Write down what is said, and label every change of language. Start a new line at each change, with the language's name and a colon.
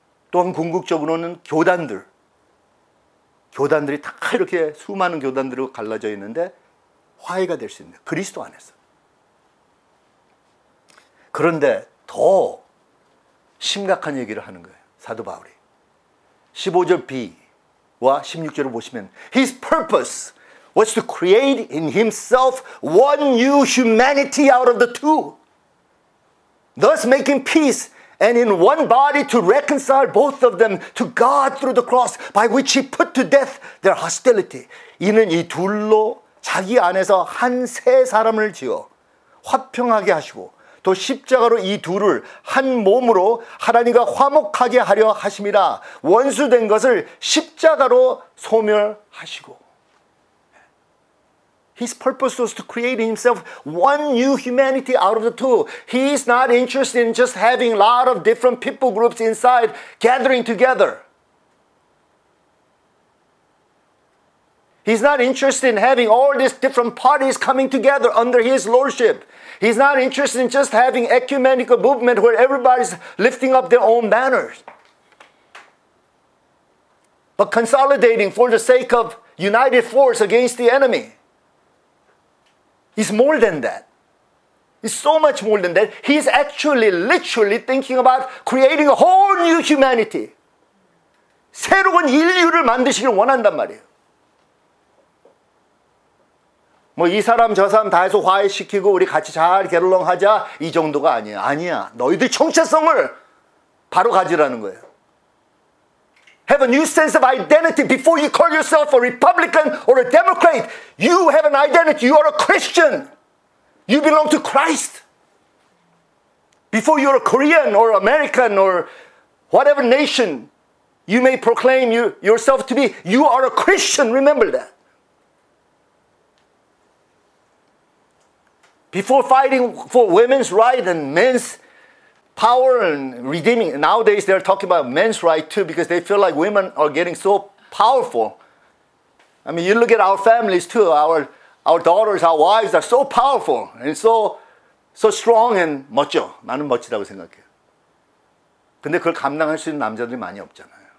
Korean: 또한 궁극적으로는 교단들이 다 이렇게 수많은 교단들로 갈라져 있는데 화해가 될 수 있는 그리스도 안에서. 그런데 더 심각한 얘기를 하는 거예요. 사도 바울이 15절 B와 16절을 보시면
English: His purpose was to create in himself one new humanity out of the two, thus making peace and in one body to reconcile both of them to God through the cross by which he put to death their hostility.
Korean: 이는 이 둘로 자기 안에서 한 새 사람을 지어 화평하게 하시고 또 십자가로 이 둘을 한 몸으로 하나님과 화목하게 하려 하심이라. 원수된 것을 십자가로 소멸하시고.
English: His purpose was to create himself one new humanity out of the two. He is not interested in just having a lot of different people groups inside gathering together. He's not interested in having all these different parties coming together under his lordship. He's not interested in just having ecumenical movement where everybody's lifting up their own banners. But consolidating for the sake of united force against the enemy. It's more than that. It's so much more than that. He's actually literally thinking about creating a whole new humanity.
Korean: 새로운 인류를 만드시길 원한단 말이에요. 뭐 이 사람 저 사람 다 해서 화해시키고 우리 같이 잘 게롤롱하자 이 정도가 아니야. 아니야. 너희들 정체성을 바로 가지라는 거예요.
English: Have a new sense of identity before you call yourself a Republican or a Democrat. You have an identity. You are a Christian. You belong to Christ. Before you are a Korean or American or whatever nation you may proclaim yourself to be, you are a Christian. Remember that. Before fighting for women's right and men's power and redeeming, nowadays they're talking about men's right too because they feel like women are getting so powerful. I mean, you look at our families too. Our daughters, our wives are so powerful and so strong and
Korean: 멋져. 나는 멋지다고 생각해요. 근데 그걸 감당할 수 있는 남자들이 많이 없잖아요.